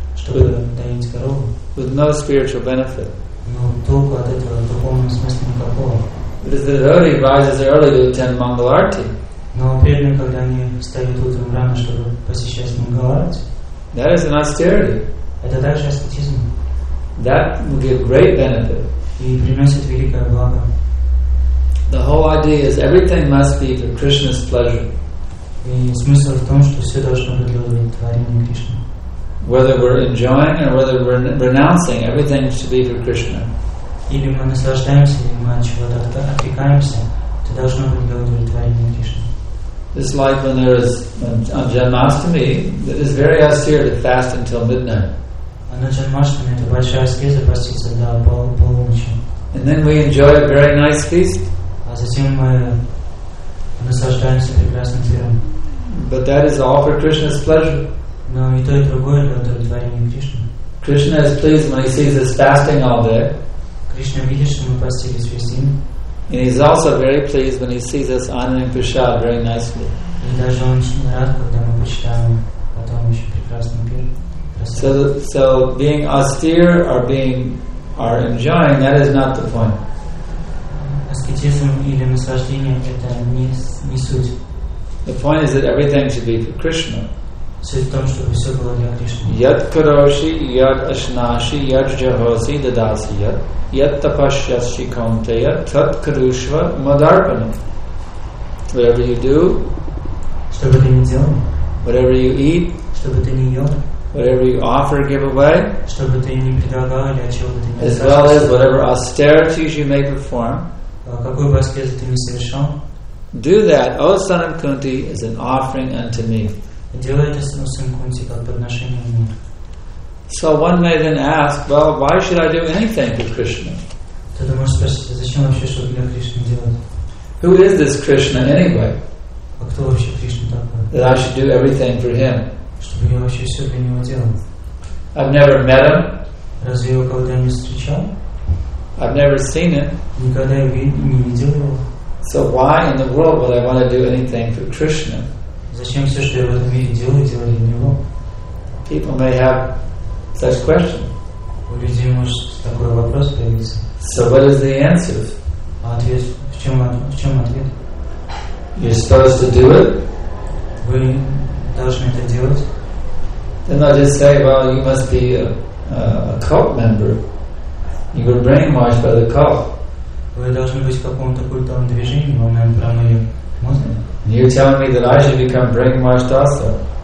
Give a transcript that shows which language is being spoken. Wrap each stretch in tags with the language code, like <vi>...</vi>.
<en>With no spiritual benefit. But if the devotee rises early to attend Mangalarti, that is an austerity. That will give great benefit. The whole idea is everything must be for Krishna's pleasure.</en> <ru>И смысл в том, что все должно быть для удовлетворения Кришны.</ru> <en>Whether we're enjoying or whether we're renouncing, everything should be for Krishna.</en> <ru>Или мы наслаждаемся, или мы от чего-то отрекаемся, это должно быть для удовлетворения Кришны.</ru> <en>This life when there is on Janmashtami, it is very austere to fast until midnight.</en> <ru>А на Janmashtami это большая аскеза поститься до полуночи.</ru> <en>And then we enjoy a very nice feast.</en> <ru>А затем мы наслаждаемся прекрасным миром.</ru> <en>But that is all for Krishna's pleasure.</en> <ru>Но и то, и другое для удовлетворения Кришны.</ru> <en>Krishna is pleased when he sees us fasting all day.</en> <ru>Кришна видит, что мы постились весь день.</ru> <en>And he's also very pleased when he sees us honoring Prasad very nicely.</en> <ru>И даже он очень рад, когда мы почитаем потом еще прекрасный пир.</ru> <en>So being austere or being or enjoying, that is not the point.</en> <ru>Аскетизм или наслаждение — это не суть.</ru> <en>The point is that everything should be for Krishna.</en> <ru>Суть в том, чтобы все было для Кришны.</ru> <sa>Яд кроши, яд ашнаши, яд жжаваси, дадаси яд. Яд тапашьяши каунтея, тат крышва мадарпана.</sa> <en>Whatever you do,</en> <ru>что бы ты ни делал,</ru> <en>whatever you eat,</en> <ru>что бы ты ни ел,</ru> <en>whatever you offer or give away,</en> <ru>что бы ты ни предлагал или о чем бы ты ни</ru> <en>as well as whatever austerities you may perform,</en> <ru>какую бы аскезу ты ни совершал,</ru> <en>do that, O son of Kunti, as an offering unto me.</en> <ru>Делай это, сын Кунти, как подношение мне.</ru> <en>So one may then ask, well, why should I do anything for Krishna?</en> <ru>Ты можешь спросить, зачем вообще что для Кришны делать?</ru> <en>Who is this Krishna anyway?</en> <ru>А кто вообще Кришна такой?</ru> <en>That I should do everything for him.</en> <ru>Чтобы я вообще все для него делал.</ru> <en>I've never met him.</en> <ru>Разве его когда-нибудь встречал?</ru> <en>I've never seen him.</en> <ru>Никогда я не видел его.</ru> <en>So why in the world would I want to do anything for Krishna?</en> <ru>Зачем все, что я в этом мире делаю, делаю для него?</ru> <en>People may have such question.</en> <ru>У людей может такой вопрос появиться.</ru> <en>So what is the answer?</en> <ru>А ответ в чем ответ?</ru> <en>You're supposed to do it.</en> <ru>Вы должны это делать.</ru> <en>Then I'll just say, well, you must be a cult member. You were brainwashed by the cult.</en> <ru>Вы должны быть в каком-то культовом движении, вам наверное промыли мозг.</ru> <en>You're telling me that I should become brainwashed also.</en>